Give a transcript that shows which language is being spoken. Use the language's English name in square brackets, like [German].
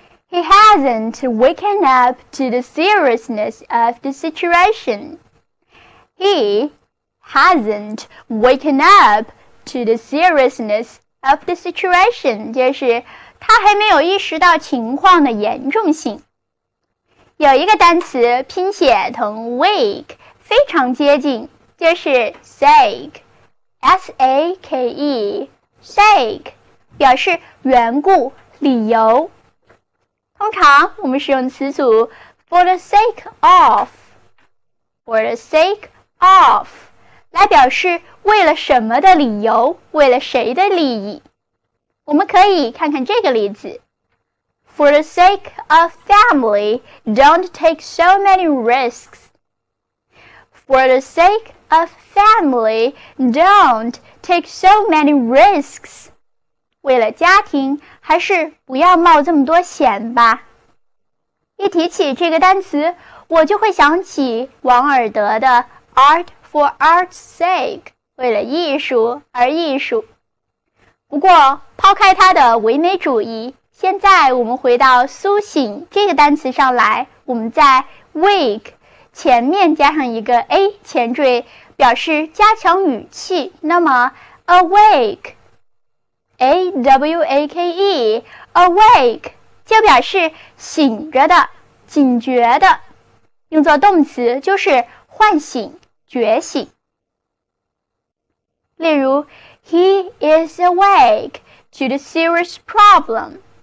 [English] He hasn't woken up to the seriousness of the situation. He hasn't woken up to the seriousness of the situation. [Chinese] 就是他还没有意识到情况的严重性。有一个单词拼写同 wake 非常接近，就是 sake, S-A-K-E, sake, 表示缘故、理由。通常我们使用词组 [English] for the sake of, for the sake of, [Chinese] 来表示为了什么的理由，为了谁的利益。我们可以看看这个例子。 [English] For the sake of family, don't take so many risks. For the sake of family, don't take so many risks. [Chinese] 为了家庭，还是不要冒这么多险吧。一提起这个单词，我就会想起王尔德的 [English] Art for Art's Sake, [Chinese] 为了艺术而艺术。不过，抛开他的唯美主义，现在我们回到苏醒这个单词上来，我们在 wake 前面加上一个 a 前缀，表示加强语气，那么 awake,A-W-A-K-E, awake, 就表示醒着的、警觉的。用作动词就是唤醒、觉醒。例如 [English] ,He is awake to the serious problem.